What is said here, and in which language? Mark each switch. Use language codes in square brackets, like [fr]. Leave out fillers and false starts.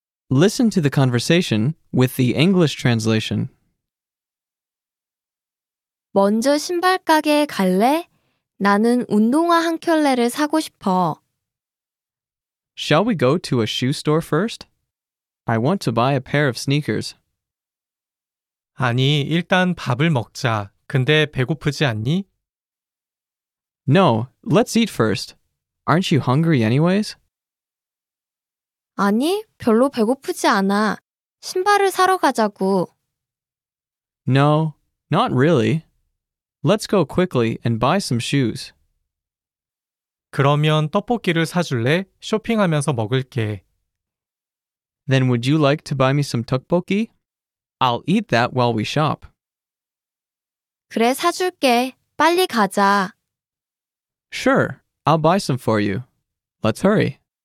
[en] Listen to the conversation with the English translation. [ko] 먼저 신발 가게에 갈래? 나는 운동화 한 켤레를 사고 싶어. [en] Shall we go to a shoe store first? I want to buy a pair of sneakers. [ko] 아니, 일단 밥을 먹자. 근데 배고프지 않니? [en] No, let's eat first. Aren't you hungry anyways? [ko] 아니, 별로 배고프지 않아. 신발을 사러 가자고. [en] No, not really. Let's go quickly and buy some shoes. [ko] 그러면 떡볶이를 사줄래? 쇼핑하면서 먹을게. [en] Then would you like to buy me some tteokbokki? I'll eat that while we shop. [ko] 그래, 사줄게. 빨리 가자. [en] Sure, I'll buy some for you. Let's hurry.